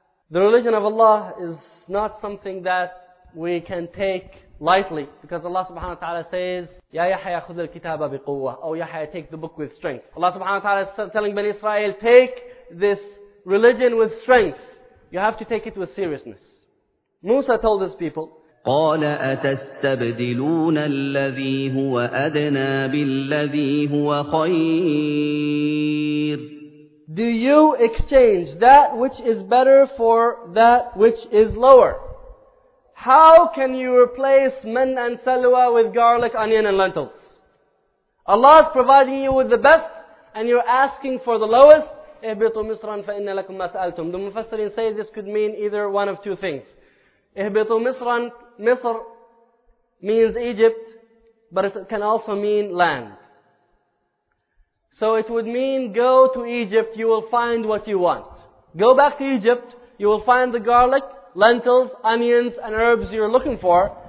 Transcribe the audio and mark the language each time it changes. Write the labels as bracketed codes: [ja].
[en] The religion of Allah is not something that we can take lightly, because Allah subhanahu wa ta'ala says, Ya Yahya, [ar] خذ الكتاب بقوة. [en] Oh Yahya, take the book with strength. Allah subhanahu wa ta'ala is telling Bani Israel, take this religion with strength. You have to take it with seriousness. Musa told his people, [ar] قال أتستبدلون الذي هو أدنى بالذي هو خير. [en] Do you exchange that which is better for that which is lower? How can you replace man and salwa with garlic, onion and lentils? Allah is providing you with the best and you're asking for the lowest. [ar] اهبطوا مصرا فإن لكم ما سألتم. [en] The Mufassirin say this could mean either one of two things. [ar] اهبطوا مصرا, [en] مصر means Egypt, but it can also mean land. So it would mean, go to Egypt, you will find what you want. Go back to Egypt, you will find the garlic, lentils, onions and herbs you're looking for.